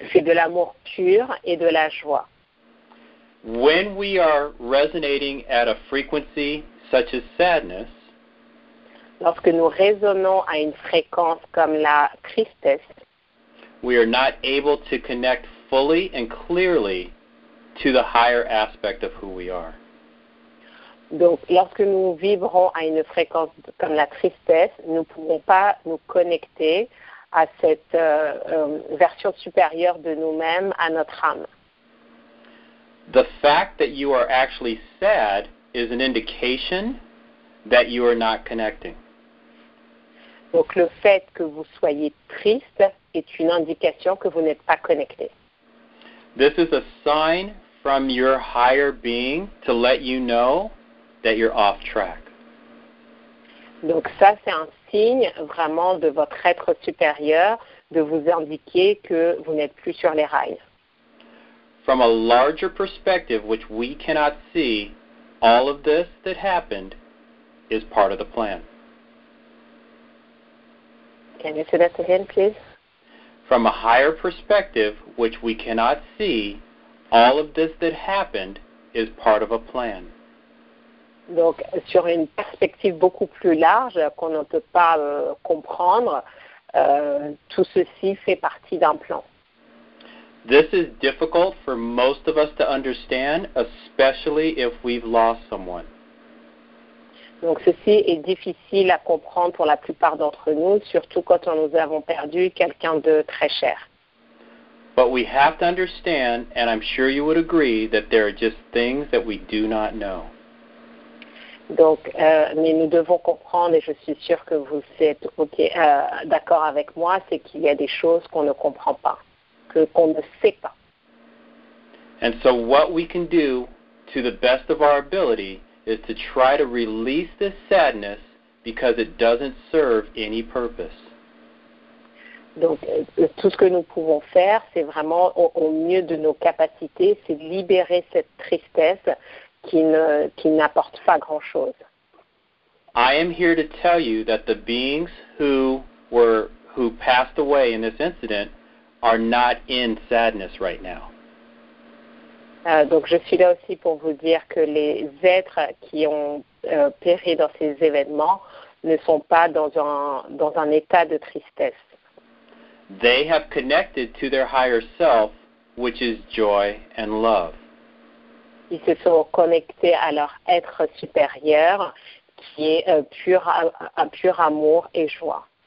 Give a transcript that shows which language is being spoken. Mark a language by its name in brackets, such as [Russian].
[French] C'est de l'amour pur et de la joie. [English] When we are resonating at a frequency such as sadness, [French] lorsque nous résonnons à une fréquence comme la tristesse, [English] we are not able to connect fully and clearly to the higher aspect of who we are. [French] Donc, lorsque nous vibrons à une fréquence comme la tristesse, nous ne pouvons pas nous connecter à cette version supérieure de nous-mêmes, à notre âme. [English] The fact that you are actually sad is an indication that you are not connecting. [French] Donc, le fait que vous soyez triste est une indication que vous n'êtes pas connecté. [English] This is a sign from your higher being to let you know that you're off track. [French] Donc ça, c'est un signe vraiment de votre être supérieur de vous indiquer que vous n'êtes plus sur les rails. [English] From a larger perspective, which we cannot see, all of this that happened is part of the plan. Can you say that again, please? From a higher perspective, which we cannot see, all of this that happened is part of a plan. [French] Donc, sur une perspective beaucoup plus large qu'on ne peut pas comprendre, tout ceci fait partie d'un plan. [English] This is difficult for most of us to understand, especially if we've lost someone. [French] Donc, ceci est difficile à comprendre pour la plupart d'entre nous, surtout quand nous avons perdu quelqu'un de très cher. [English] But we have to understand, and I'm sure you would agree, that there are just things that we do not know. [French] Donc, mais nous devons comprendre, et je suis sûre que vous êtes d'accord avec moi, c'est qu'il y a des choses qu'on ne comprend pas, qu'on ne sait pas. [English] And so what we can do to the best of our ability is to try to release this sadness because it doesn't serve any purpose. [French] Donc, tout ce que nous pouvons faire, c'est vraiment au mieux de nos capacités, c'est libérer cette tristesse qui n'apporte pas grand-chose. [English] I am here to tell you that the beings who passed away in this incident are not in sadness right now. [French] Donc je suis là aussi pour vous dire que les êtres qui ont péri dans ces événements ne sont pas dans un état de tristesse. [English] They have connected to their higher self, which is joy and love. [French] Ils se sont connectés à leur être supérieur qui est pur amour et joie.